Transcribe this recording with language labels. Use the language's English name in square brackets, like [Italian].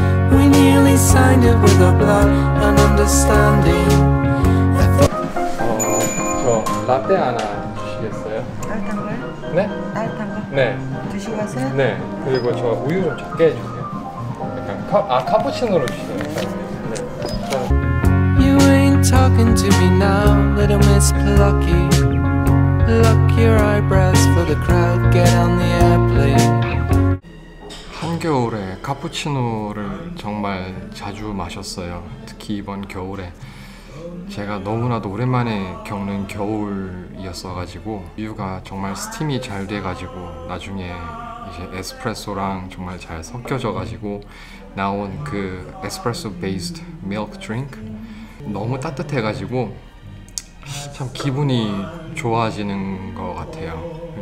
[English] We nearly signed it with our blood and understanding. [Korean] 저 라떼 하나 주시겠어요? 따뜻한 거요? 네? 따뜻한 거? 네. 드시겠어요? 네. 그리고 저 우유 좀 적게 해주세요. 약간 카푸치노로 주세요. 네. [English] You ain't talking to me now, little miss plucky. Pluck your eyebrows for the crowd, get on the airplane. [Korean] 한겨울에 카푸치노를 정말 자주 마셨어요. 특히 이번 겨울에 제가 너무나도 오랜만에 겪는 겨울이었어가지고 우유가 정말 스팀이 잘 돼가지고 나중에 이제 에스프레소랑 정말 잘 섞여져가지고 나온 그 에스프레소 베이스드 밀크 드링크 너무 따뜻해가지고 참 기분이 좋아지는 것 같아요.